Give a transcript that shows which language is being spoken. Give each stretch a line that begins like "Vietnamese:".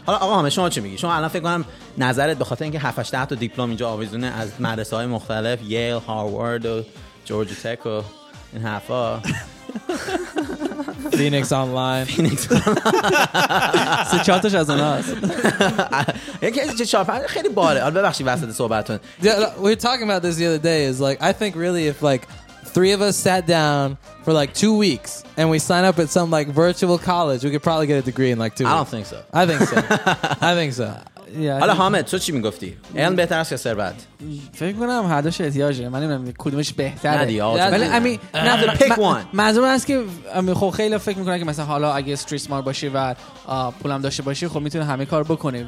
Persian: حالا آقا همه شما چی میگی؟ شما الان فکر کنم نظرت به خاطر اینکه 7-8 تا دیپلم اینجا آویزونه از مدرسه های مختلف، ییل، هاروارد و جورج تک و این حرفا، فینیکس آنلاین، سه چارتش از اون هست، یکی از چه چارتش خیلی باره. حالا ببخشید وسط صحبتون.
English: We're talking about this the other day is like I think really if like three of us sat down for like 2 weeks and we sign up at some like virtual college, we could probably get a degree in like 2 weeks. I don't think so. I think so. I think so.
Persian: حالا حامد تو چی میگفتی؟ این بهتر است یا ثروت؟ فکر کنم هر دوش احتیاجه. من نمیدونم کدومش بهتره. نه دیگه. ولی
English: pick one.
Persian: معلومه است که خب خیلی فکر میکنن که مثلا حالا اگه استریت سمارت باشی و پولم داشته باشی خب میتونی همه کار بکنی.